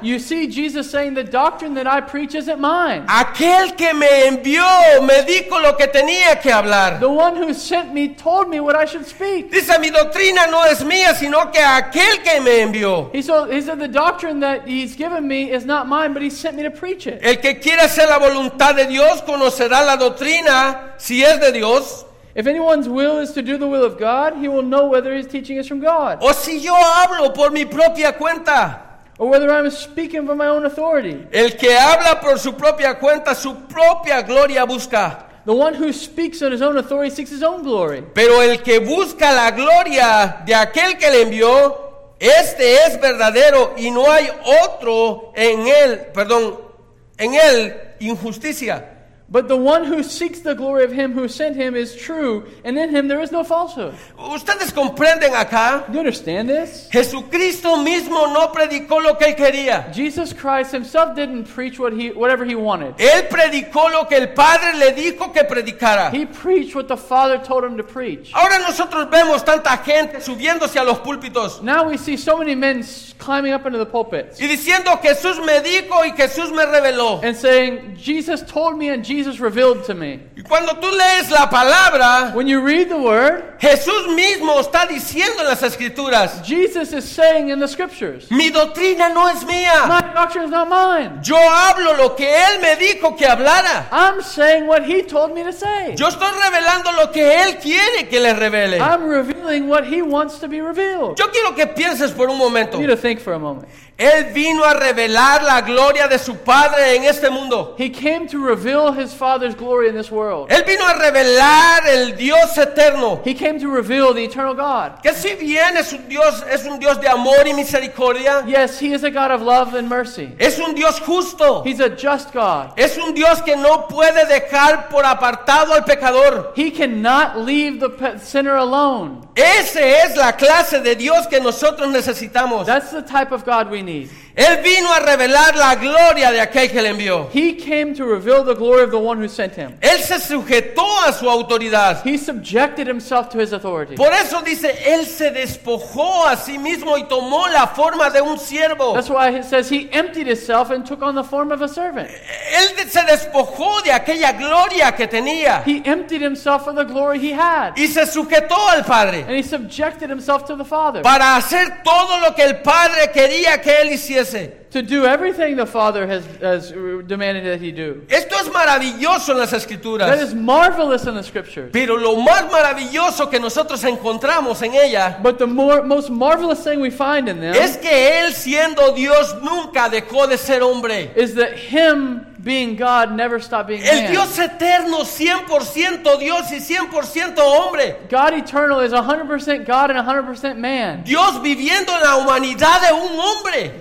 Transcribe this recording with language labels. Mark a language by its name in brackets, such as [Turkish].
[English] You see Jesus saying, the doctrine that I preach isn't mine. [Spanish] Aquel que me envió me dijo lo que tenía que hablar. [English] The one who sent me told me what I should speak. [Spanish] Dice, mi doctrina no es mía, sino que aquel que me envió. [English] He said, the doctrine that he's given me is not mine, but he sent me to preach it. [Spanish] El que quiere hacer la voluntad de Dios conocerá la doctrina si es de Dios. [English] If anyone's will is to do the will of God, he will know whether his teaching is from God. [Spanish] O si yo hablo por mi propia cuenta. [English] Or whether I'm speaking from my own authority. [Spanish] El que habla por su propia cuenta, su propia gloria busca. [English] The one who speaks on his own authority seeks his own glory. [Spanish] Pero el que busca la gloria de aquel que le envió, este es verdadero y no hay otro en él, perdón, en él injusticia. [English] But the one who seeks the glory of him who sent him is true, and in him there is no falsehood. [Spanish] ¿Ustedes comprenden acá? [English] Do you understand this? [Spanish] Jesucristo mismo no predicó lo que él quería. [English] Jesus Christ himself didn't preach whatever he wanted. [Spanish] Él predicó lo que el Padre le dijo que predicara. [English] He preached what the Father told him to preach. [Spanish] Ahora nosotros vemos tanta gente subiéndose a los púlpitos. [English] Now we see so many men climbing up into the pulpits. [Spanish] Y diciendo, Jesús me dijo y Jesús me reveló. [English] And saying, Jesus told me and Jesus revealed to me. [Spanish] Y cuando tú lees la palabra, [English] when you read the word, [Spanish] Jesús mismo está diciendo en las escrituras, [English] Jesus is saying in the scriptures, [Spanish] mi doctrina no es mía. [English] My doctrine is not mine. [Spanish] Yo hablo lo que él me dijo que hablara. [English] I'm saying what he told me to say. [Spanish] Yo estoy revelando lo que él quiere que le revele. [English] I'm revealing what he wants to be revealed. [Spanish] Yo quiero que pienses por un momento. [English] I need to think for a moment. [Spanish] Él vino a revelar la gloria de su Padre en este mundo. [English] He came to reveal his Father's glory in this world. [Spanish] Él vino a revelar el Dios eterno. [English] He came to reveal the eternal God. [Spanish] Que si bien es un Dios de amor y misericordia. [English] Yes, he is a God of love and mercy. [Spanish] Es un Dios justo. [English] He's a just God. [Spanish] Es un Dios que no puede dejar por apartado al pecador. [English] He cannot leave the sinner alone. [Spanish] Ese es la clase de Dios que nosotros necesitamos. [English] That's the type of God we need. [Spanish] Él vino a revelar la gloria de aquel que le envió. [English] He came to reveal the glory of the one who sent him. [Spanish] Él se sujetó a su autoridad. [English] He subjected himself to his authority. [Spanish] Por eso dice, él se despojó a sí mismo y tomó la forma de un siervo. [English] That's why it says he emptied himself and took on the form of a servant. [Spanish] Él se despojó de aquella gloria que tenía. [English] He emptied himself of the glory he had. [Spanish] Y se sujetó al Padre. [English] And he subjected himself to the Father. [Spanish] Para hacer todo lo que el Padre quería que él hiciera. [English] To do everything the Father has demanded that he do. [Spanish] Esto es maravilloso en las Escrituras. [English] That is marvelous in the Scriptures. [Spanish] Pero lo más maravilloso que nosotros encontramos en ella, [English] but the most marvelous thing we find in them, [Spanish] es que él siendo Dios nunca dejó de ser hombre. [English] Is that him being God never stopped being man. [Spanish] El Dios eterno, 100% Dios y 100% hombre. [English] God eternal is 100% God and 100% man. [Spanish] Dios viviendo en la humanidad de un hombre.